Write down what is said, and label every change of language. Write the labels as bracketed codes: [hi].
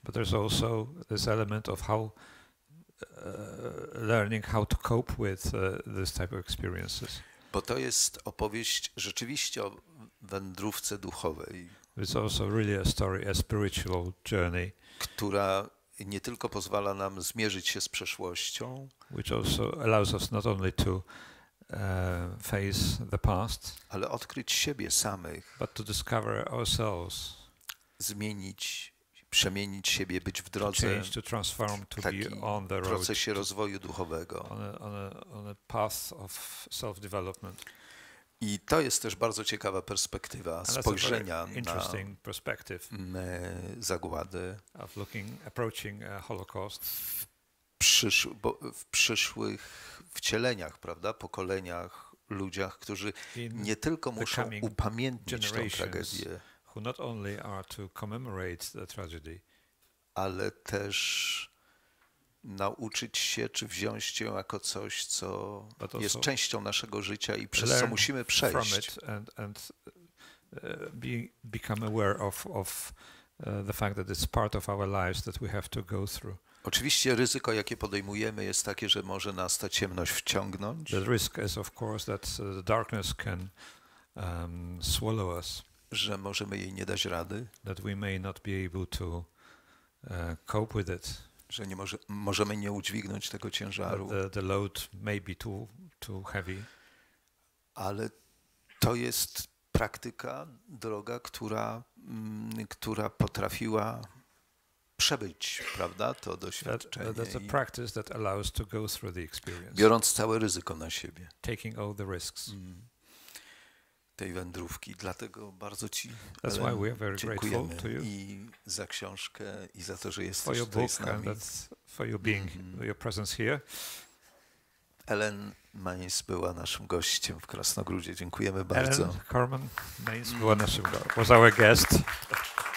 [en] But there's also this element of how learning how to cope with this type of experiences. [pl] Bo to jest opowieść rzeczywiście o wędrówce duchowej. [en] It's also really a story, a spiritual journey, [pl] która nie tylko pozwala nam zmierzyć się z przeszłością, [en] which also allows us not only to face the past, [pl] ale odkryć siebie samych, [en] but to discover ourselves, [pl] zmienić, przemienić siebie, być w drodze, [en] to change, to transform, to [pl] taki [en] be on the road, [pl] procesie rozwoju duchowego, [en] on a path of self-development. [pl] I to jest też bardzo ciekawa perspektywa spojrzenia na zagładę [en] of looking, approaching a Holocaust. [pl] W przyszłych wcieleniach, prawda, pokoleniach, ludziach, którzy nie tylko muszą upamiętnić tę tragedię, [en] who not only are to commemorate the tragedy, [pl] ale też nauczyć się, czy wziąć ją jako coś, co jest częścią naszego życia i przez co musimy przejść. [en] From it and become aware of the fact that it's part of our lives that we have to go through. [pl] Oczywiście ryzyko, jakie podejmujemy, jest takie, że może nas ta ciemność wciągnąć. [en] The risk is of course that the darkness can swallow us. [pl] Że możemy jej nie dać rady. [en] That we may not be able to cope with it. [pl] Że nie możemy nie udźwignąć tego ciężaru. [en] The load may be too heavy. [pl] Ale to jest praktyka, droga, która potrafiła przebyć, prawda, to doświadczenie. [en] That's a practice that allows to go through the experience. [pl] Biorąc całe ryzyko na siebie. [en] Taking all the risks. [pl] Tej wędrówki. Dlatego bardzo ci [en] That's why we are very [pl] dziękujemy [en] to you. [pl] I za książkę, i za to, że jesteś tutaj z nami. [en] For your being, your presence here. [pl] Ellen Mainz była naszym gościem w Krasnogródzie. Dziękujemy bardzo. Ellen Carmen Mainz była naszym gościem. [en] Was our guest.